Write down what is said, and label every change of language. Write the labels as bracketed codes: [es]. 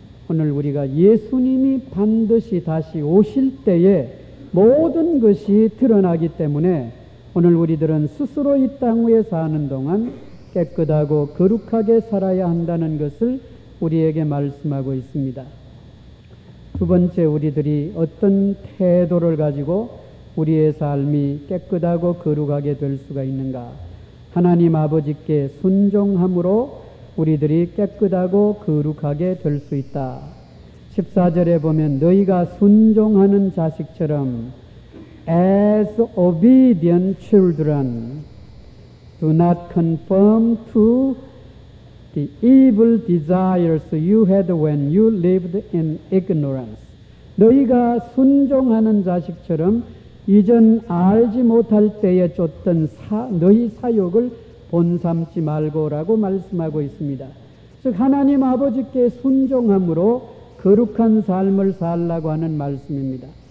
[ko] 오늘 우리가 예수님이 반드시 다시 오실 때에 모든 것이 드러나기 때문에 오늘 우리들은 스스로 이 땅 위에 사는 동안 깨끗하고 거룩하게 살아야 한다는 것을 우리에게 말씀하고 있습니다. 두 번째 우리들이 어떤 태도를 가지고 우리의 삶이 깨끗하고 거룩하게 될 수가 있는가? 하나님 아버지께 순종함으로 우리들이 깨끗하고 거룩하게 될 수 있다. 14절에 보면 너희가 순종하는 자식처럼 [en] As obedient children, do not conform to the evil desires you had when you lived in ignorance. [ko] 너희가 순종하는 자식처럼 이전 알지 못할 때에 쫓던 너희 사욕을 본삼지 말고 라고 말씀하고 있습니다. 즉 하나님 아버지께 순종함으로 거룩한 삶을 살라고 하는 말씀입니다.